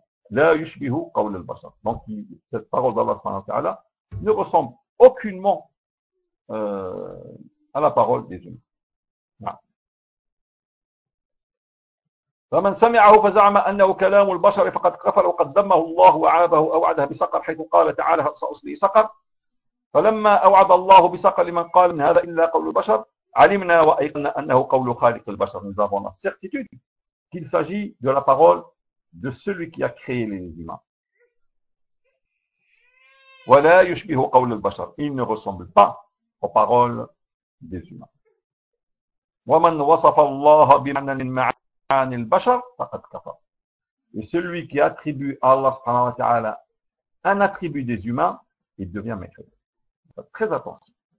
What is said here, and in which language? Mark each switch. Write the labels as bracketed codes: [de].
[ar] La yushbihu qawl al-bashar. [fr] Donc, cette parole d'Allah subhanahu wa ta'ala ne ressemble aucunement à la parole des humains. [ar] فمن سمعه فزعم انه كلام البشر فقد كفر وقد ذمه الله وعابه اوعده بسقر حيث قال تعالى ساصلي سقر فلما اوعد الله بسقر لمن قال ان هذا الا قول البشر علمنا وايقنا انه قول خالق البشر. [fr] Nous avons la certitude qu'il s'agit de la parole de celui qui a créé les humains. [ar] وَلَا يُشْبِهُ قَوْلِ الْبَشَرِ [fr] Il ne ressemble pas aux paroles des humains. [ar] وَمَنْ وَصَفَ اللَّهَ بِمَعْنَنِ الْمَعَانِ الْبَشَرِ فَقَدْ كَفَرَ [fr] Et celui qui attribue à Allah subhanahu wa ta'ala un attribut des humains, il devient mécréant. Très attention.